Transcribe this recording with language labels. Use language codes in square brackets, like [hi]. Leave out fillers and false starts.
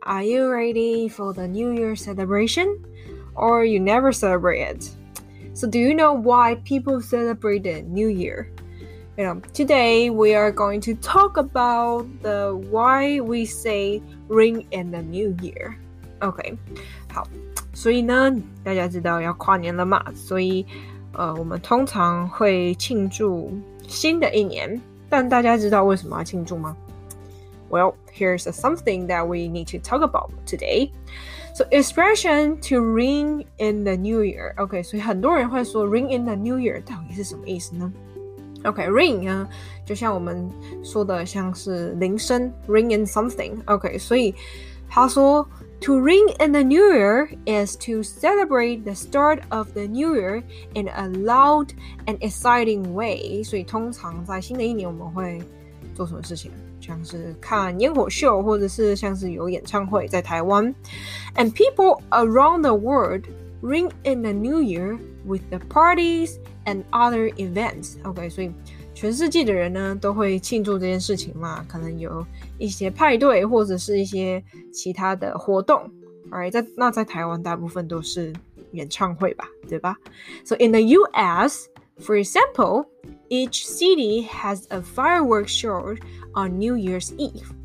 [en] Are you ready for the New Year celebration? Or you never celebrate it? So do you know why people celebrate the New Year? You know, today we are going to talk about the why we say ring in the New Year. [zh] Okay, 好，所以呢，大家知道要跨年了嘛，所以我们通常会庆祝新的一年。但大家知道为什么要庆祝吗？ [en] Well, here's something that we need to talk about today. So, expression to ring in the new year. [zh] Okay, 所以很多人会说 [en] ring in the new year [zh] 到底是什么意思呢？ Okay, ring 呢，就像我们说的像是铃声 [en] ring in something. Okay, [zh] 所以他说 [en] to ring in the new year is to celebrate the start of the new year in a loud and exciting way. [zh] 所以通常在新的一年我们会做什么事情，像是看烟火秀，或者是像是有演唱会在台湾。 [en] And people around the world ring in the new year with the parties and other events. [zh] Okay, 所以全世界的人呢都会庆祝这件事情嘛，可能有一些派对或者是一些其他的活动。 Alright, 那在台湾大部分都是演唱会吧，对吧？ [en] So in the US, for example, each city has a fireworks show on New Year's Eve.